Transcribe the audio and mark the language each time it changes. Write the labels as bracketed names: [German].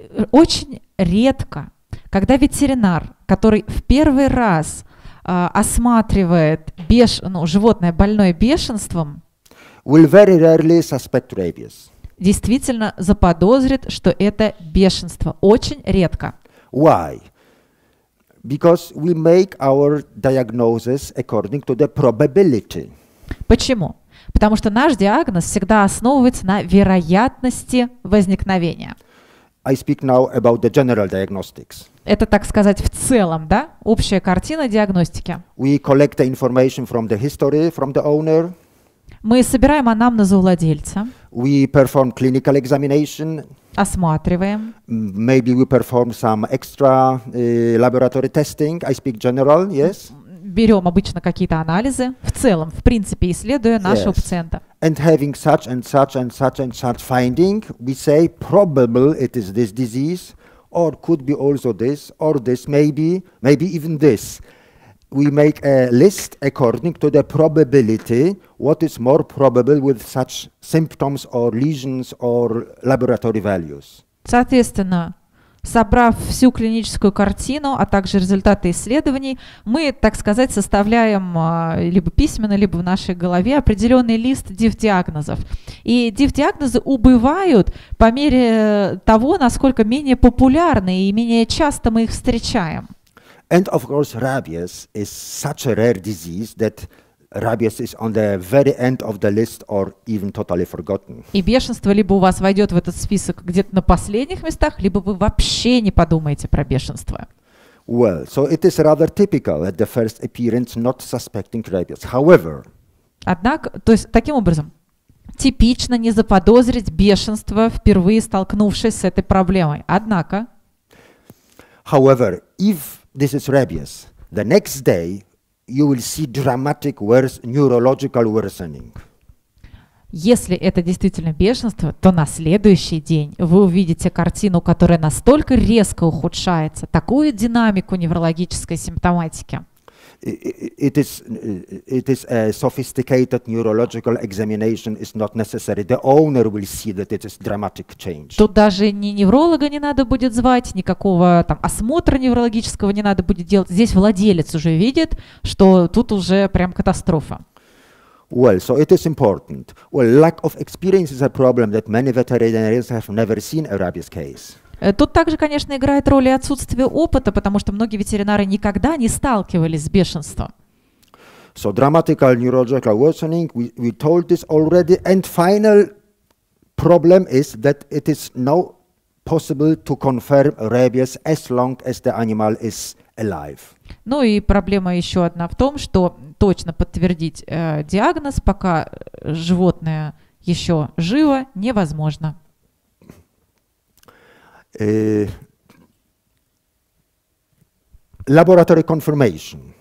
[Russian] Очень редко, когда ветеринар, который в первый раз осматривает животное больное бешенством, [English] will very rarely suspect rabies. [Russian] Действительно заподозрит, что это бешенство. Очень редко. [English] Why? Because we make our diagnosis according to the probability. [Russian] Почему? Потому что наш диагноз всегда основывается на вероятности возникновения. [English] I speak now about the general diagnostics. [Russian] Это, так сказать, в целом, да? Общая картина диагностики. [English] We collect the information from the history, from the owner. [Russian] Мы собираем анамнез у владельца. [English] We perform clinical examination. [Russian] Осматриваем. [English] Maybe we perform some extra laboratory testing. I speak general, yes. [Russian] Берем обычно какие-то анализы, в целом, в принципе, исследуя нашего пациента. [English] And having such and such and such and such finding, we say probable it is this disease, or could be also this, or this, maybe even this. We make a list according to the probability, what is more probable with such symptoms or lesions or laboratory values. [Russian] Соответственно, собрав всю клиническую картину, а также результаты исследований, мы, так сказать, составляем либо письменно, либо в нашей голове определенный лист диф-диагнозов. И диф-диагнозы убывают по мере того, насколько менее популярны и менее часто мы их встречаем. [English] And of course, rabies is such a rare disease that rabies is on the very end of the list or even totally forgotten. [Russian] И бешенство либо у вас войдет в этот список где-то на последних местах, либо вы вообще не подумаете про бешенство. [English] Well, so it is rather typical at the first appearance not suspecting rabies. However, [Russian] однако, то есть таким образом, типично не заподозрить бешенство, впервые столкнувшись с этой проблемой. Однако, [English] however, if this is rabies, the next day you will see dramatic neurological worsening. [Russian] Если это действительно бешенство, то на следующий день вы увидите картину, которая настолько резко ухудшается, такую динамику неврологической симптоматики. [English] It is a sophisticated neurological examination is not necessary. The owner will see that it is dramatic change. [Russian] Тут даже ни невролога не надо будет звать, никакого там осмотра неврологического не надо будет делать. Здесь владелец уже видит, что тут уже прям катастрофа. [English] Well, so it is important. Well, lack of experience is a problem that many veterinarians have never seen a rabies case. [Russian] Тут также, конечно, играет роль и отсутствие опыта, потому что многие ветеринары никогда не сталкивались с бешенством. [English] So dramatical neurological worsening, we told this already, and final problem is that it is now possible to confirm rabies as long as the animal is alive. [Russian] Ну и проблема еще одна в том, что точно подтвердить диагноз, пока животное еще живо, невозможно. [English] Laboratory confirmation.